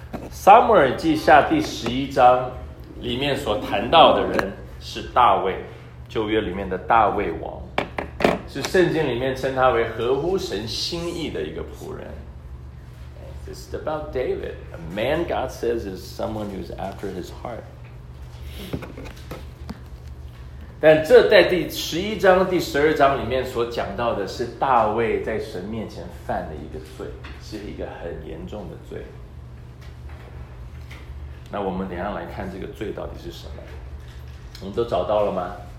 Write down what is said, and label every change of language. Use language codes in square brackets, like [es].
[zh] 撒母耳记下第十一章里面所谈到的人是大卫，旧约里面的大卫王。是圣经里面称他为合乎神心意的一个仆人。 [en] It's about David, a man God says is someone who's after his heart. [zh] 但这在第十一章、第十二章里面所讲到的是大卫在神面前犯的一个罪，是一个很严重的罪。那我们等一下来看这个罪到底是什么。我们都找到了吗？